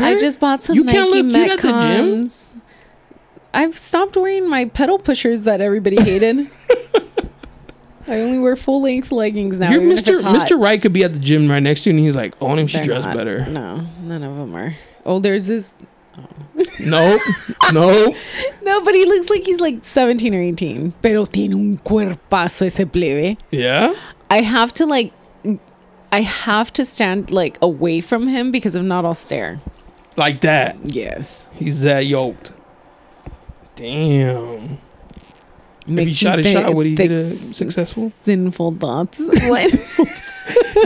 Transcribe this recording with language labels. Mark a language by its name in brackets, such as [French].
[English] I just bought some Nike Metcons. You can't look cute at the gym. I've stopped wearing my pedal pushers that everybody hated. I only wear full length leggings now. Mr. Wright could be at the gym right next to you and he's like, oh, she dressed better. No, none of them are. Oh, there's this. Nope. Nope. No, but he looks like he's like 17 or 18. [Spanish] Pero tiene un cuerpazo ese plebe. [English] Yeah. I have to stand like away from him because if not, I'll stare. Like that? Yes. He's that yoked. Damn. If he shot his shot, would he get a successful? Sinful thoughts. What?